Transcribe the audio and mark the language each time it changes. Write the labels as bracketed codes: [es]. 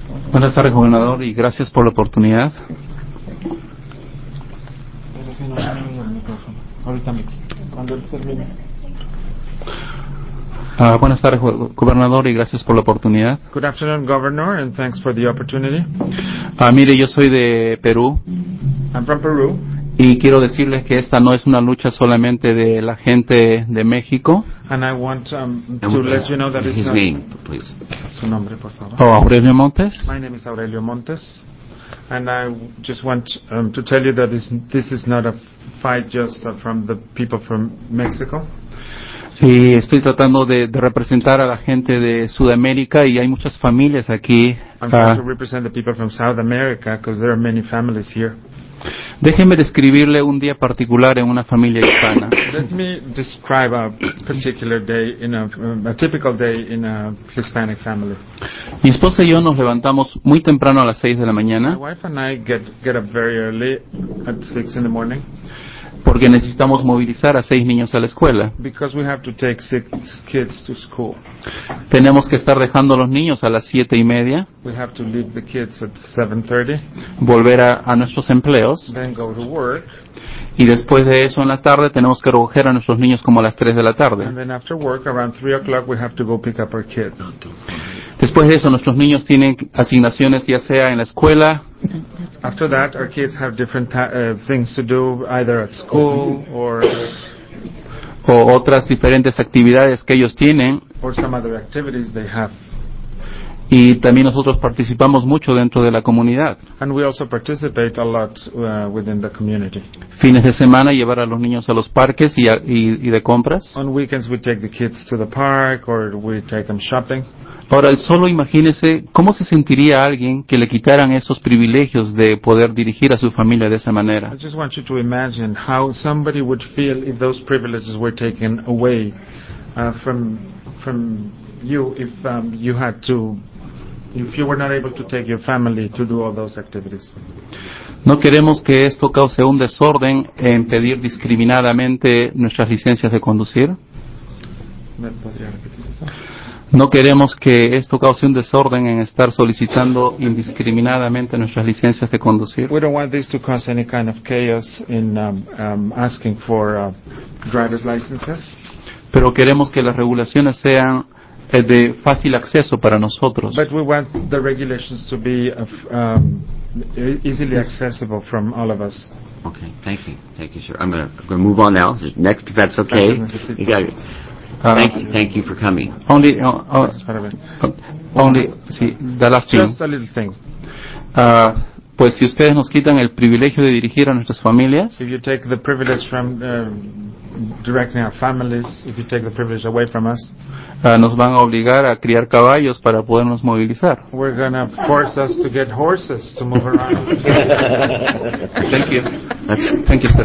[es] Buenas tardes, gobernador, y gracias por la oportunidad. Buenas tardes, gobernador, y gracias por la oportunidad. [en] Good afternoon, governor, and thanks for the opportunity. [es] Mire, yo soy de Perú. [en] I'm from Peru. [es] Y quiero decirles que esta no es una lucha solamente de la gente de México. [en] And I want to let you know that his it's name, not... please. [es] Su nombre, por favor. [en] Oh, Aurelio Montes. My name is Aurelio Montes. And I just want to tell you that this is not a fight just from the people from Mexico. [es] Y estoy tratando de representar a la gente de Sudamérica y hay muchas familias aquí. [en] I'm trying to represent the people from South America because there are many families here. [es] Déjeme describirle un día particular en una familia hispana. [en] Let me describe a particular day in a typical day in a Hispanic family. [es] Mi esposa y yo nos levantamos muy temprano a las 6 de la mañana. [en] My wife and I get up very early at 6 in the morning. [es] Porque necesitamos movilizar a 6 niños a la escuela. [en] Because we have to take 6 kids to school. [es] Tenemos que estar dejando a los niños a las 7:30. [en] We have to leave the kids at 7:30. [es] Volver a nuestros empleos. [en] Then go to work. [es] Y después de eso en la tarde tenemos que recoger a nuestros niños como a las 3 de la tarde. [en] And then after work, around 3 o'clock, we have to go pick up our kids. [es] Después de eso nuestros niños tienen asignaciones ya sea en la escuela. [en] After that, our kids have different things to do, either at school or... [es] O otras diferentes actividades que ellos tienen. [en] Or some other activities they have. [es] Y también nosotros participamos mucho dentro de la comunidad. [en] And we also participate a lot within the community. [es] Fines de semana, llevar a los niños a los parques y de compras. [en] On weekends, we take the kids to the park or we take them shopping. [es] Ahora, solo imagínese cómo se sentiría alguien que le quitaran esos privilegios de poder dirigir a su familia de esa manera. [en] I just want you to imagine how somebody would feel if those privileges were taken away from you if you had to, if you were not able to take your family to do all those activities. [es] No queremos que esto cause un desorden en pedir discriminadamente nuestras licencias de conducir. ¿Me podría repetir eso? No queremos que esto cause un desorden en estar solicitando indiscriminadamente nuestras licencias de conducir. [en] We don't want this to cause any kind of chaos in asking for driver's licenses. [es] Pero queremos que las regulaciones sean de fácil acceso para nosotros. [en] But we want the regulations to be easily accessible from all of us. Okay, thank you. Thank you, sir. I'm going to move on now. Next, if that's okay. Thank you, Mr. Sito. Thank you for coming. Just a little thing. [es] Pues si ustedes nos quitan el privilegio de dirigir a nuestras familias. [en] If you take the privilege from directing our families, if you take the privilege away from us. [es] Nos van a obligar a criar caballos para podernos movilizar. [en] We're going to force us to get horses to move around. Thank you, sir.